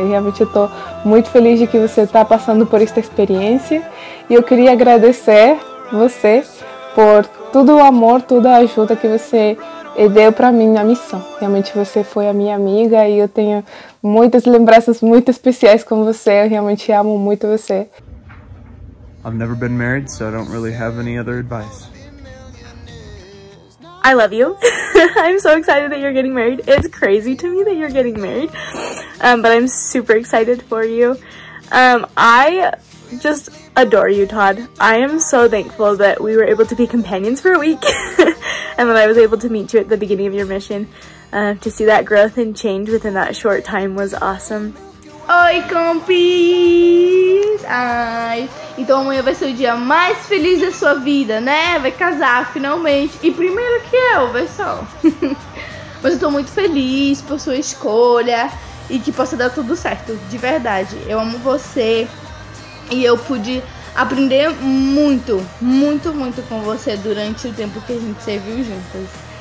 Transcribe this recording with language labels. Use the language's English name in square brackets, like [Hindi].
[Portuguese] Realmente eu tô muito feliz de que você tá passando por esta experiência. E eu queria agradecer você por todo o amor, toda a ajuda que você e deu para mim a missão. Realmente você foi a minha amiga e eu tenho muitas lembranças muito especiais com você. Eu realmente amo muito você. [English] I've never been married, so I don't really have any other advice. I love you. I'm so excited that you're getting married. It's crazy to me that you're getting married. But I'm super excited for you. I just adore you, Todd. I am so thankful that we were able to be companions for a week. And that I was able to meet you at the beginning of your mission. To see that growth and change within that short time was awesome. [Portuguese] Oi, compis! Ai, então amanhã vai ser o dia mais feliz da sua vida, né? Vai casar, finalmente. E primeiro que eu, pessoal. Mas eu tô muito feliz por sua escolha e que possa dar tudo certo, de verdade. Eu amo você e eu pude aprender muito, muito, muito com você durante o tempo que a gente serviu juntas.